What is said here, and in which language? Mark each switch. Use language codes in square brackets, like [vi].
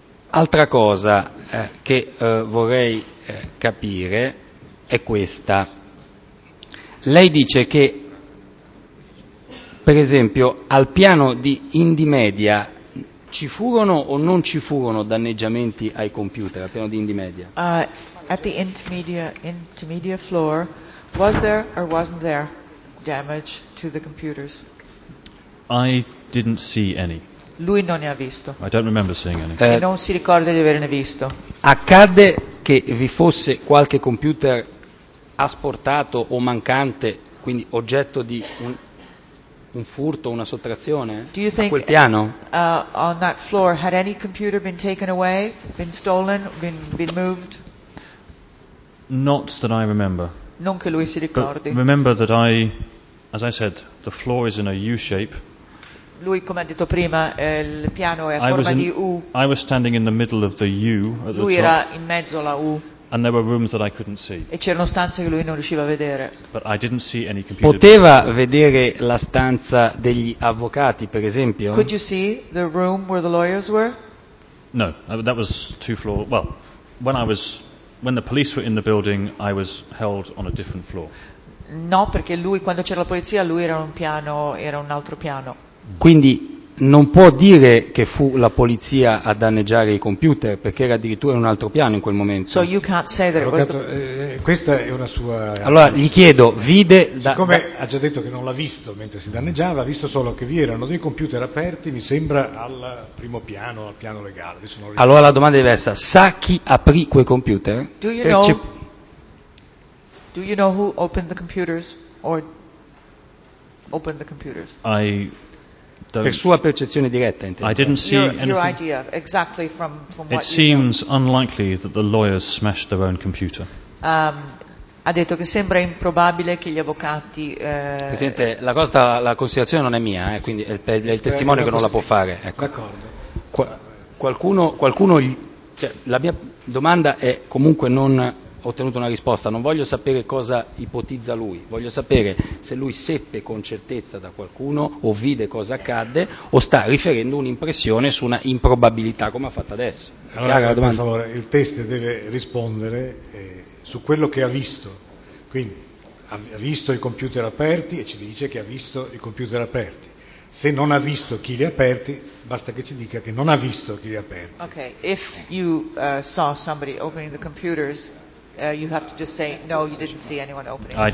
[it] Altra cosa che vorrei capire è questa. Lei dice che, per esempio, al piano di Indymedia ci furono o non ci furono danneggiamenti ai computer, al piano di Indymedia? [en] At the Indymedia floor, was there or wasn't there damage to the computers? I didn't see any. [it] Lui non ne ha visto. [en] I don't remember seeing any. [it] Non si ricorda di averne visto. Accadde che vi fosse qualche computer asportato o mancante, quindi oggetto di un furto, una sottrazione? [en] Do you think [it] a quel piano? [en] On that floor had any computer been taken away, been stolen, been moved? Not that I remember. [it] Non che lui si ricordi. [en] But remember that I, as I said, the floor is in a U shape. [it] Lui, come ha detto prima, il piano è a forma di U. [en] I was standing in the middle of the U. [it] Lui era in mezzo alla U. [en] And there were rooms that I couldn't see. [it] E c'erano stanze che lui non riusciva a vedere. [en] But I didn't see any computer. [it] Poteva vedere la stanza degli avvocati, per esempio? [en] Could you see the room where the lawyers were? No, that was two floors. Well, when the police were in the building, I was held on a different floor. [it] No, perché lui, quando c'era la polizia, lui era un piano, era un altro piano. Quindi non può dire che fu la polizia a danneggiare i computer, perché era addirittura in un altro piano in quel momento. [en] So you can't say that it was the... [it] questa è una sua... Allora, gli chiedo, vide... Siccome ha già detto che non l'ha visto mentre si danneggiava, ha visto solo che vi erano dei computer aperti, mi sembra, al primo piano, al piano legale. Adesso non... Allora la domanda è diversa. Sa chi aprì quei computer? [en] Do you know who opened the computers? Or opened the computers? [it] Per sua percezione diretta, intendo. [en] I didn't see anything. Your idea, exactly from what it seems unlikely that the lawyers smashed their own computer. [it] Ha detto che sembra improbabile che gli avvocati. Presidente, la considerazione non è mia, quindi è il testimone che non la può fare. Ecco. D'accordo. Qualcuno. La mia domanda è comunque non. Ho ottenuto una risposta, non voglio sapere cosa ipotizza lui, voglio sapere se lui seppe con certezza da qualcuno o vide cosa accadde o sta riferendo un'impressione su una improbabilità come ha fatto adesso. Allora, per favore, il test deve rispondere su quello che ha visto, quindi ha visto i computer aperti e ci dice che ha visto i computer aperti. Se non ha visto chi li ha aperti, basta che ci dica che non ha visto chi li ha aperti. [en] Ok, if you saw somebody opening the computers... you have to just say no, you didn't see anyone opening the computers.